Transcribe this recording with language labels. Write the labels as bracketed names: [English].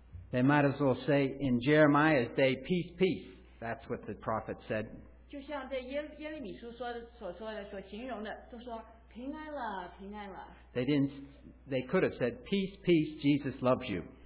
[English] They might as well say, in Jeremiah's day, peace, peace. That's what the prophet said. [Chinese] 就像在耶利米书所说的,所形容的,都说, 平安了。 [English] They could have said, peace, peace, Jesus loves you.